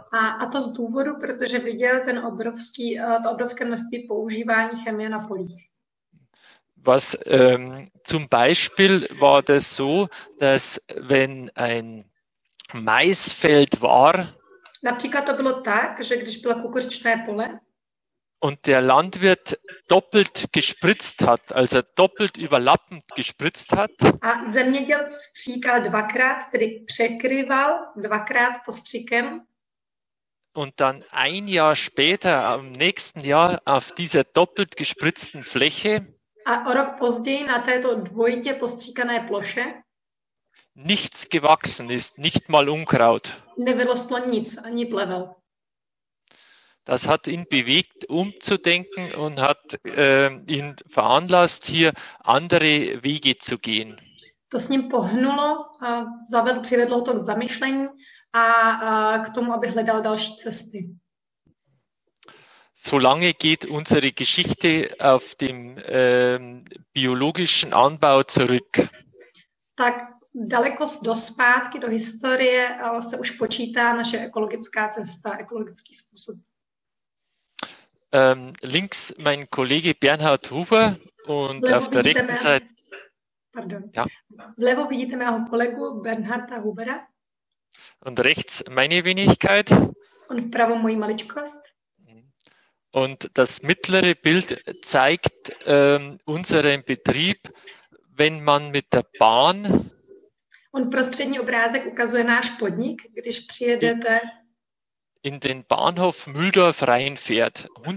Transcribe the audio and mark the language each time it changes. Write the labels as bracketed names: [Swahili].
[Czech] A to z důvodu, protože viděl ten obrovský, to obrovské množství používání chemie na polích. [German] Was zum Beispiel war das so, dass wenn ein Maisfeld war, [Czech] například to bylo tak, že když bylo kukuřičné pole, [German] und der Landwirt doppelt gespritzt hat, also doppelt überlappend gespritzt hat. [Czech] A zemědělec stříkal dvakrát, tedy překryval dvakrát postříkem. [German] Und dann ein Jahr später, am nächsten Jahr, auf dieser doppelt gespritzten Fläche. [Czech] A o rok později na této dvojitě postříkané ploše. [German] Nichts gewachsen ist, nicht mal Unkraut. [Czech] Nevyrostlo nic, ani plevel. [German] Das hat ihn bewegt, umzudenken und hat ihn veranlasst, hier andere Wege zu gehen. [Czech] To s ním pohnulo, přivedlo to k zamyšlení a k tomu, aby hledal další cesty. [German] So lange geht unsere Geschichte auf dem biologischen Anbau zurück. [Czech] Tak daleko do zpátky, do historie, se už počítá naše ekologická cesta, ekologický způsob. [German] Links mein Kollege Bernhard Huber und auf der rechten Seite. [Czech] Pardon. Ja. Vlevo vidíte mého kolegu Bernharda Hubera. [German] Und rechts meine Wenigkeit. [Czech] Und vpravo moji maličkost. [German] Und das mittlere Bild zeigt unseren Betrieb, wenn man mit der Bahn. [Czech] Und prostřední obrázek ukazuje náš podnik, když přijedete. [German] In den Bahnhof Mühldorf reinfährt.